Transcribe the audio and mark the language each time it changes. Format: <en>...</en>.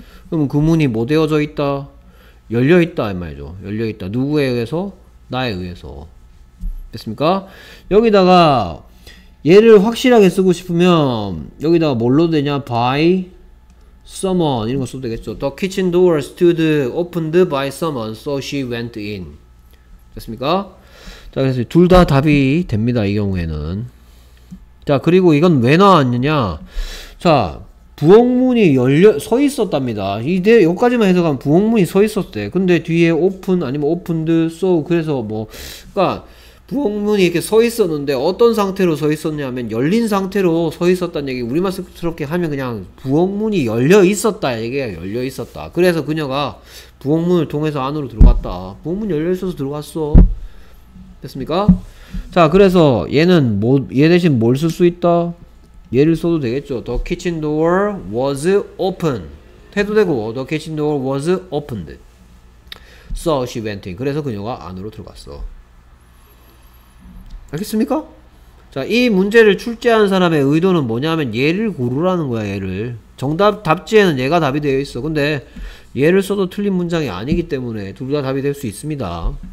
<ko>그럼 그 문이 뭐 되어져 있다? 열려 있다, 이 말이죠. 열려 있다. 누구에 의해서? 나에 의해서. 됐습니까? 여기다가 얘를 확실하게 쓰고 싶으면 여기다가 뭘로 되냐?</ko> <en>by someone</en> <ko>이런 거 써도 되겠죠.</ko> <en>The kitchen door stood opened by someone, so she went in.</en> <ko>됐습니까? 자, 그래서 둘 다 답이 됩니다, 이 경우에는. 자, 그리고 이건 왜 나왔느냐? 자, 부엌문이 열려 서 있었답니다. 이대 여기까지만 해석하면 부엌문이 서 있었대. 근데 뒤에 open 아니면 opened, so 그래서 뭐, 그러니까 부엌문이 이렇게 서 있었는데 어떤 상태로 서 있었냐면 열린 상태로 서 있었다는 얘기. 우리말스럽게 하면 그냥 부엌문이 열려 있었다 얘기야. 열려 있었다. 그래서 그녀가 부엌문을 통해서 안으로 들어갔다. 부엌문 열려 있어서 들어갔어. 됐습니까? 자, 그래서 얘는 뭐, 얘 대신 뭘 쓸 수 있다? 얘를 써도 되겠죠.</ko> <en>The kitchen door was open</en> <ko>해도 되고,</ko> <en>The kitchen door was opened, so she went in.</en> <ko>그래서 그녀가 안으로 들어갔어. 알겠습니까? 자, 이 문제를 출제한 사람의 의도는 뭐냐면 얘를 고르라는 거야. 얘를 정답 답지에는 얘가 답이 되어 있어. 근데 얘를 써도 틀린 문장이 아니기 때문에 둘 다 답이 될 수 있습니다.</ko>